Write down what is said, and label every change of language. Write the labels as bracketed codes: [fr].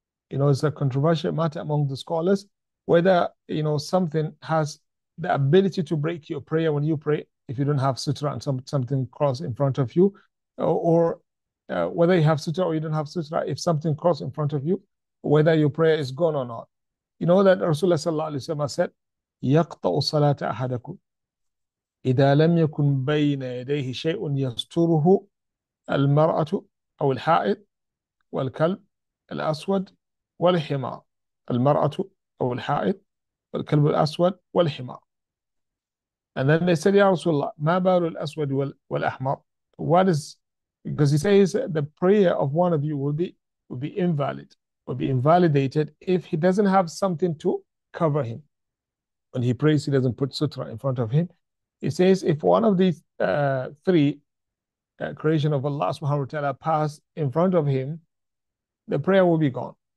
[en] You know, it's a controversial matter among the scholars whether, you know, something has the ability to break your prayer when you pray, if you don't have sutra and something cross in front of you, or whether you have sutra or you don't have sutra, if something cross in front of you, whether your prayer is gone or not. You know that Rasulullah sallallahu alaihi wasallam said, [ar] يَقْطَعُ صَلَاةَ أَحَدَكُمْ إِذَا لَمْ يَكُنْ بَيْنَ يَدَيْهِ شَيْءٌ يَسْتُرُهُ الْمَرْأَةُ أَوْ الْحَائِطُ وَالْكَلْبُ الْأَسْوَدُ وَالْحِمَارُ الْمَرْأَةُ أَوْ الْحَائِطُ الكلب الأسود والحمار. [en] And then they said, [ar] يا رسول الله, ما بال الأسود والأحمر? [en] What is, because he says the prayer of one of you will be invalid, will be invalidated if he doesn't have something to cover him. When he prays, he doesn't put sutra in front of him. He says, if one of these three creation of Allah subhanahu wa ta'ala pass in front of him, the prayer will be gone.